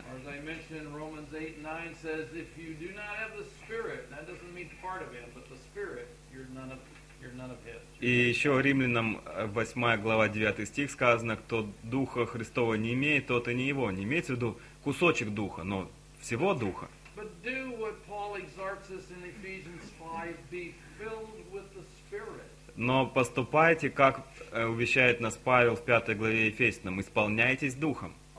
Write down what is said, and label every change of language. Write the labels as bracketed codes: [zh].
[en] As I mentioned, Romans 8 and 9 says, if you do not have the Spirit, that doesn't mean part of him, but the Spirit, you're none of his. [ru] И еще Римлянам 8 глава 9 стих сказано, кто Духа Христова не имеет, тот и не его. Не имеется в виду кусочек Духа, но всего Духа. [en] But do what Paul exhorts us in Ephesians 5, be filled with the Spirit. [ru] Но поступайте, как увещает нас Павел в 5 главе Ефесянам, исполняйтесь Духом.